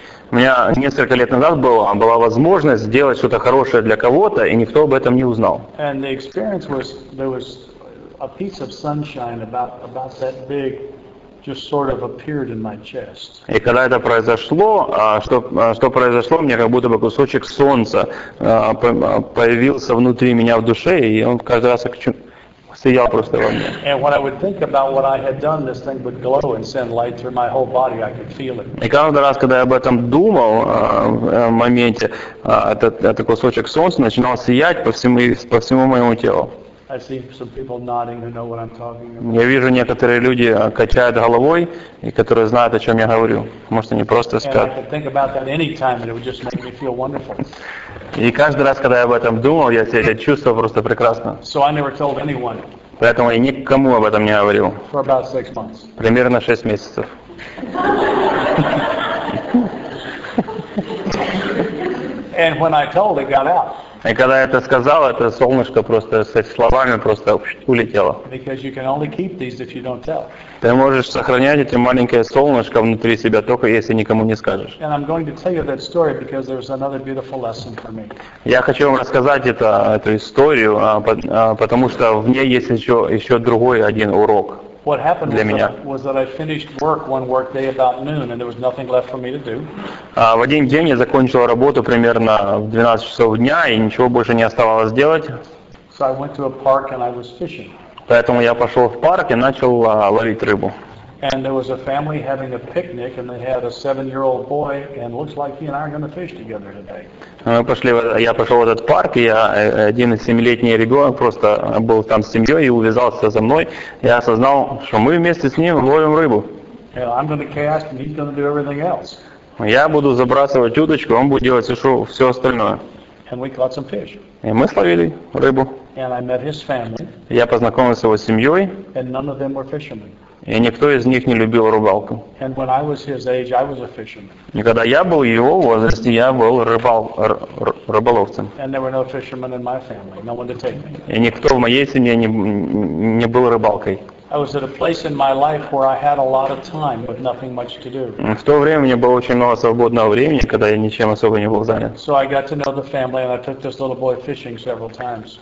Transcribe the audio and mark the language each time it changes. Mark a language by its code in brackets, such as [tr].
[ru] У меня несколько лет назад была возможность сделать что-то хорошее для кого-то, и никто об этом не узнал. [en] And the experience was, there was a piece of sunshine about that big just sort of appeared in my chest. [ru] И когда это произошло, что произошло, мне как будто бы кусочек солнца появился внутри меня в душе, и он каждый раз сиял просто во мне. [en] And when I would think about what I had done, this thing would glow and send light through my whole body. I could feel it. [ru] И каждый раз, когда я об этом думал, в моменте этот кусочек солнца начинал сиять по всему моему телу. [en] I see some people nodding who know what I'm talking about. [ru] Я вижу некоторые люди качают головой и которые знают о чем я говорю. Может, они просто спят. [en] And I could think about that any time, and it would just make me feel wonderful. [ru] И каждый раз, когда я об этом думал, я себя чувствовал просто прекрасно. [en] So I never told anyone. [ru] Поэтому я никому об этом не говорил. [en] For about 6 months. [ru] Примерно 6 месяцев. [en] And when I told, it got out. [ru] И когда я это сказал, это солнышко просто с этими словами просто улетело. [en] Because you can only keep these if you don't tell. [ru] Ты можешь сохранять это маленькое солнышко внутри себя только если никому не скажешь. [en] And I'm going to tell you that story because there's another beautiful lesson for me. [ru] Я хочу вам рассказать эту историю, потому что в ней есть еще другой один урок. [en] What happened was that I finished work one workday about noon, and there was nothing left for me to do. [ru] В один день я закончил работу примерно в 12 часов дня, и ничего больше не оставалось делать. [en] So I went to a park and I was fishing. [ru] Поэтому я пошел в парк и начал ловить рыбу. [en] And there was a family having a picnic, and they had a 7-year-old boy, and looks like he and I are going to fish together today. [ru] Я пошел в этот парк, и один семилетний ребенок просто был там с семьей и увязался за мной. Я осознал, что мы вместе с ним ловим рыбу. [en] And I'm going to cast, and he's going to do everything else. [ru] Я буду забрасывать удочку, он будет делать все остальное. [en] And we caught some fish. [ru] И мы словили рыбу. [en] And I met his family. [ru] Я познакомился с его семьей. [en] And none of them were fishermen. [ru] И никто из них не любил рыбалку. [en] And when I was his age, I was a fisherman. [ru] И когда я был его возрасте, я был рыболовцем. [en] And there were no fishermen in my family, no one to take me. [ru] И никто в моей семье не был рыбалкой. [en] I was at a place in my life where I had a lot of time, but nothing much to do. [ru] В то время у меня было очень много свободного времени, когда я ничем особо не был занят. [en] So I got to know the family, and I took this little boy fishing several times.